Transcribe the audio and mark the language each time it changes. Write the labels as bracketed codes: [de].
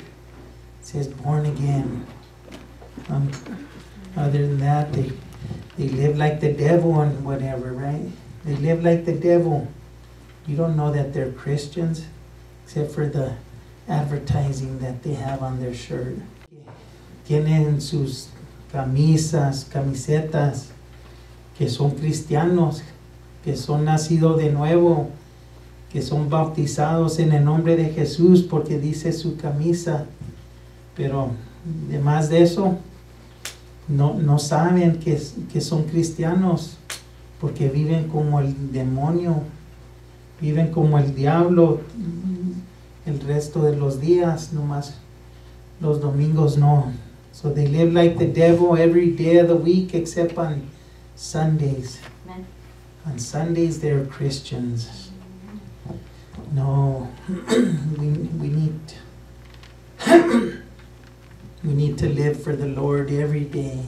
[en] It says born again. Other than that, they live like the devil and whatever, right? They live like the devil. You don't know that they're Christians except for the advertising that they have on their shirt. [es] Tienen sus camisas, camisetas, que son cristianos, que son nacidos de nuevo, que son bautizados en el nombre de Jesús porque dice su camisa. Pero además de eso, no saben que son cristianos porque viven como el demonio, viven como el diablo el resto de los días, nomás los domingos no. [en] So they live like the devil every day of the week except on Sundays. On Sundays, they're Christians. No, we need to live for the Lord every day.